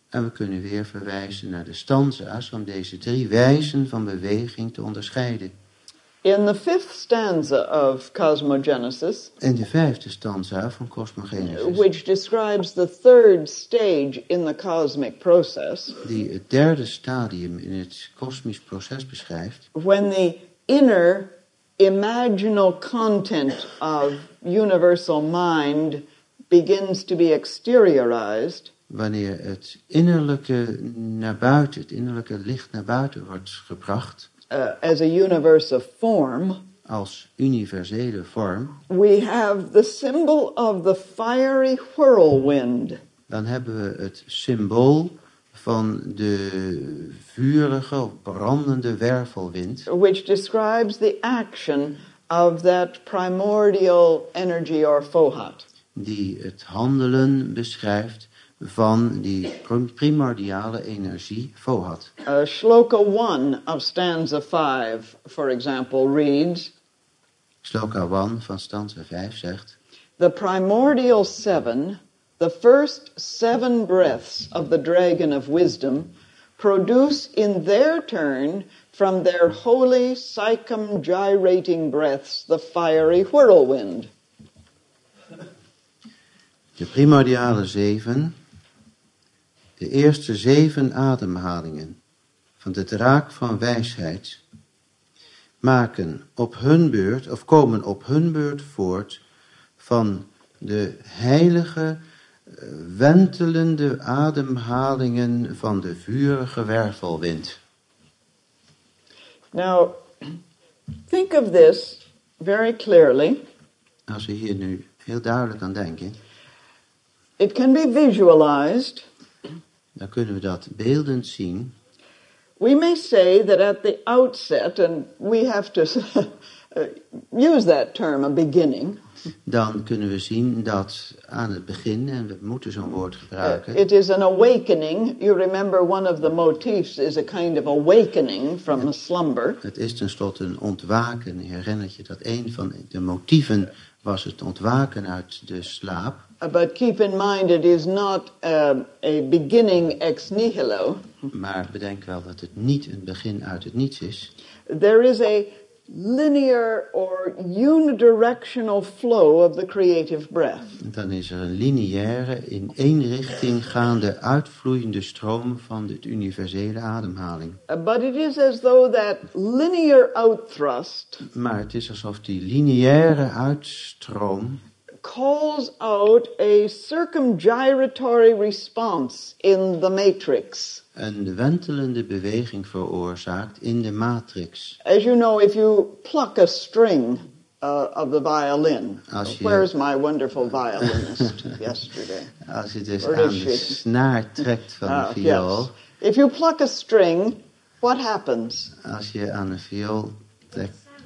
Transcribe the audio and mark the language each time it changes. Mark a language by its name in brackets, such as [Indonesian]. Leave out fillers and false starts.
[Dutch] En we kunnen weer verwijzen naar de stanzas om deze drie wijzen van beweging te onderscheiden. [English] In the fifth stanza of Cosmogenesis, [Dutch] in de vijfde stanza van Cosmogenesis, [English] which describes the third stage in the cosmic process, [Dutch] die het derde stadium in het kosmisch proces beschrijft, [English] when the inner imaginal content of universal mind begins to be exteriorized, [Dutch] wanneer het innerlijke naar buiten, het innerlijke licht naar buiten wordt gebracht, [English] as a universe of form, [Dutch] als universele vorm, [English] we have the symbol of the fiery whirlwind. [Dutch] Dan hebben we het symbool van de vurige, brandende wervelwind, [English] which describes the action of that primordial energy or fohat, [Dutch] die het handelen beschrijft van die primordiale energie fohat. [English] Shloka 1 of stanza 5, for example, reads, [Dutch] Shloka 1 van stanza 5 zegt, [English] the primordial seven, the first seven breaths of the dragon of wisdom, produce in their turn from their holy psychum gyrating breaths the fiery whirlwind. [Dutch] De primordiale zeven, de eerste zeven ademhalingen van de draak van wijsheid, maken op hun beurt, of komen op hun beurt voort van de heilige, wentelende ademhalingen van de vurige wervelwind. [English] Now, think of this very clearly. [Dutch] Als we hier nu heel duidelijk aan denken. [English] It can be visualized. [Dutch] Dan kunnen we dat beeldend zien. [English] We may say that at the outset, and we have to use that term, a beginning. [Dutch] Dan kunnen we zien dat aan het begin, en we moeten zo'n woord gebruiken. [English] It is an awakening. You remember one of the motifs is a kind of awakening from a slumber. [Dutch] Het is tenslotte een ontwaken. Herinnert je dat een van de motieven was het ontwaken uit de slaap? [English] But keep in mind it is not a beginning ex nihilo. [Dutch] Maar bedenk wel dat het niet een begin uit het niets is. [English] There is a linear or unidirectional flow of the creative breath. [Dutch] Dan is er een lineaire, in één richting gaande, uitvloeiende stroom van de universele ademhaling. [English] But it is as though that linear outthrust. [Dutch] Maar het is alsof die lineaire uitstroom [English] calls out a circumgyratory response in the matrix. [Dutch] Een wentelende beweging veroorzaakt in de matrix. [English] As you know, if you pluck a string of the violin, where's my wonderful violinist yesterday? [Dutch] Als je dus aan de snaar trekt van de viool. [English] Yes. If you pluck a string, what happens? [Dutch] Als je aan een viool trekt.